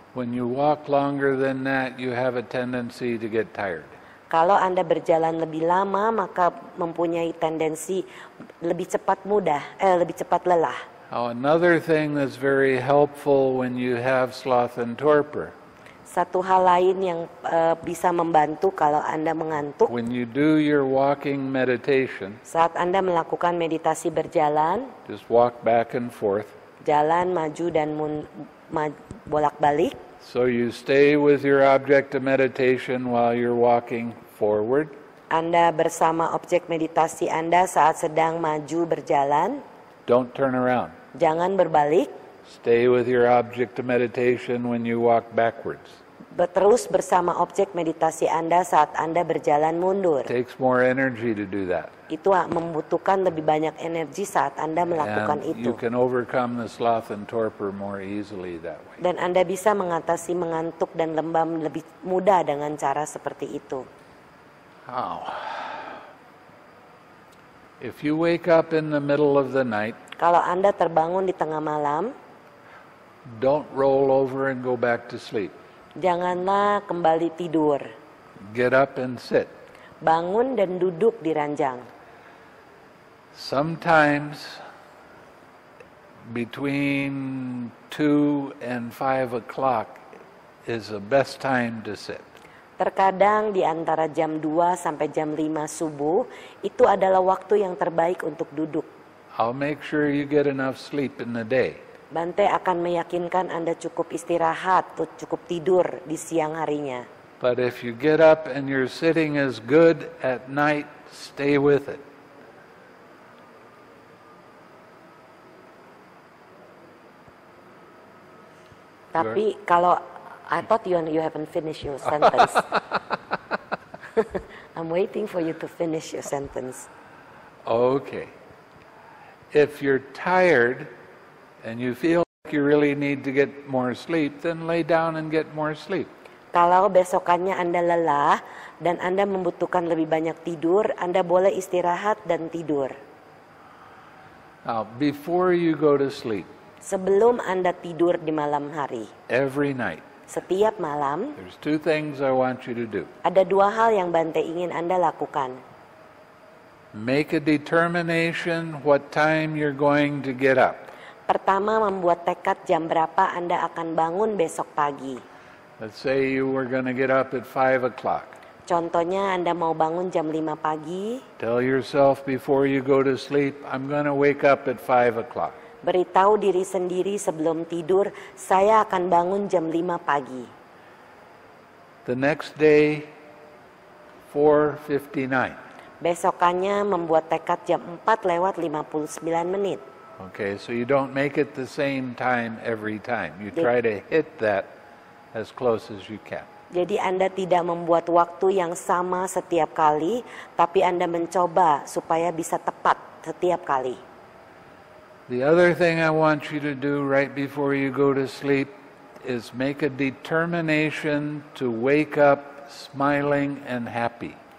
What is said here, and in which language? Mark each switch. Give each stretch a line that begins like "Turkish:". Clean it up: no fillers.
English: When you walk longer than that, you have a tendency to get tired.
Indonesian: Kalau Anda berjalan lebih lama, maka mempunyai tendensi lebih cepat lelah.
English: Now another thing that's very helpful when you have sloth and torpor.
Indonesian: Satu hal lain yang bisa membantu kalau Anda mengantuk.
English: When you do your walking meditation.
Indonesian: Saat Anda melakukan meditasi berjalan.
English: Just walk back and forth.
Indonesian: Jalan maju dan bolak-balik.
English: So you stay with your object of meditation while you're walking forward.
Indonesian: Anda bersama objek meditasi Anda saat sedang maju berjalan.
English: Don't turn around.
Indonesian: Jangan berbalik.
English: Stay with your object of meditation when you walk backwards.
Indonesian: Terus bersama objek meditasi Anda saat Anda berjalan mundur.
English: It takes more energy to do that.
Indonesian: Itu membutuhkan lebih banyak energi saat Anda melakukan
English: and
Indonesian: itu.
English: You can overcome the sloth and torpor more easily that way.
Indonesian: Dan Anda bisa mengatasi mengantuk dan lembam lebih mudah dengan cara seperti itu. Oh.
English: If you wake up in the middle of the night,
Indonesian: kalau Anda terbangun di tengah malam,
English: don't roll over and go back to sleep.
Indonesian: Janganlah kembali tidur.
English: Get up and sit.
Indonesian: Bangun dan duduk di ranjang.
English: Sometimes between 2 and 5 o'clock is the best time to sit.
Indonesian: Terkadang di antara jam 2 sampai jam 5 subuh, itu adalah waktu yang terbaik untuk duduk.
English: I'll make sure you get enough sleep in the day.
Indonesian: Bhante akan meyakinkan Anda cukup istirahat, cukup tidur di siang harinya.
English: But if you get up and your sitting is good at night, stay with it.
Indonesian: Tapi kalau
English: I thought you haven't finished your sentence. I'm waiting for you to finish your sentence. Okay. If you're tired and you feel like you really need to get more sleep, then lay down and get more sleep.
Indonesian: Kalau besokannya Anda lelah dan Anda membutuhkan lebih banyak tidur, Anda boleh istirahat dan tidur.
English: Now, before you go to sleep.
Indonesian: Sebelum Anda tidur di malam hari.
English: Every night.
Indonesian: Setiap malam,
English: there's two things I want you to do.
Indonesian: Ada dua hal yang Bhante ingin Anda lakukan.
English: make a determination what time you're going to get up.
Indonesian: Pertama, membuat tekad jam berapa Anda akan bangun besok pagi.
English: Let's say you were going to get up at 5 o'clock.
Indonesian: Contohnya, Anda mau bangun jam 5 pagi.
English: Tell yourself before you go to sleep, I'm going to wake up at 5 o'clock.
Indonesian: Beritahu diri sendiri sebelum tidur, saya akan bangun jam 5 pagi.
English: The next day, 4:59.
Indonesian: Besokannya membuat tekad jam 4 lewat 59 menit.
English: Okay, so you don't make it the same time every time. You try to hit that as close as you can.
Indonesian: Jadi Anda tidak membuat waktu yang sama setiap kali, tapi Anda mencoba supaya bisa tepat setiap kali.
English: The other thing I want you to do right before you go to sleep is make a determination to wake up smiling and happy.